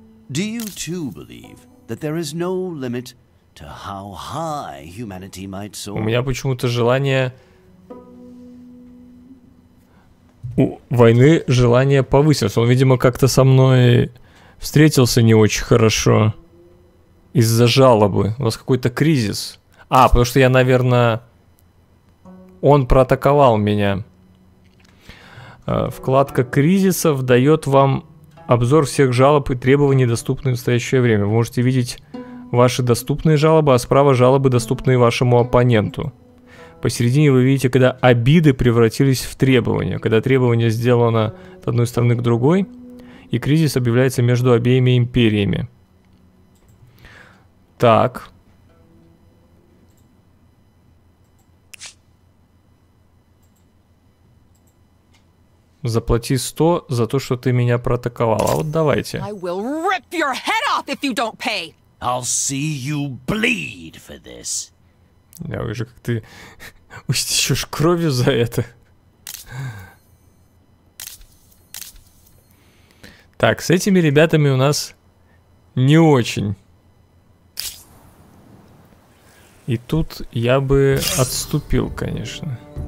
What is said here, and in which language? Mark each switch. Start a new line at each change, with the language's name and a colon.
English: Do you too believe that there is no limit to how high humanity might soar?
Russian: У меня почему-то желание... У войны желание повысилось. Он, видимо, как-то со мной встретился не очень хорошо. Из-за жалобы. У вас какой-то кризис. А, потому что я, наверное... Он проатаковал меня. Вкладка кризисов дает вам... Обзор всех жалоб и требований, доступные в настоящее время. Вы можете видеть ваши доступные жалобы, а справа жалобы, доступные вашему оппоненту. Посередине вы видите, когда обиды превратились в требования. Когда требование сделано от одной стороны к другой, и кризис объявляется между обеими империями. Так. Заплати 100 за то, что ты меня проатаковал. А вот давайте.
English: I will rip your head off if you don't pay. I'll see you bleed for this.
Russian: Я вижу, как ты истечешь кровью за это. Так, с этими ребятами у нас не очень. И тут я бы отступил, конечно.